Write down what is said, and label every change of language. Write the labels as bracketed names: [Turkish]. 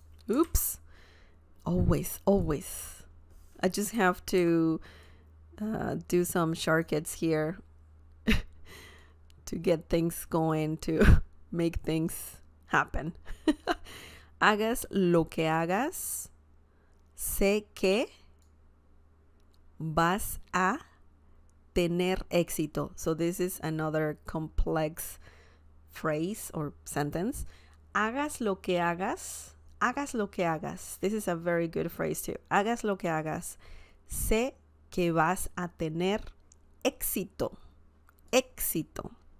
[English] Oops. Always. I just have to do some shortcuts here to get things going, to make things happen. [Spanish] Hagas lo que hagas, sé que vas a tener éxito. [English] So this is another complex phrase or sentence. [Spanish] Hagas lo que hagas. Hagas lo que hagas. [English] This is a very good phrase too. [Spanish] Hagas lo que hagas. Sé que vas a tener éxito. Éxito.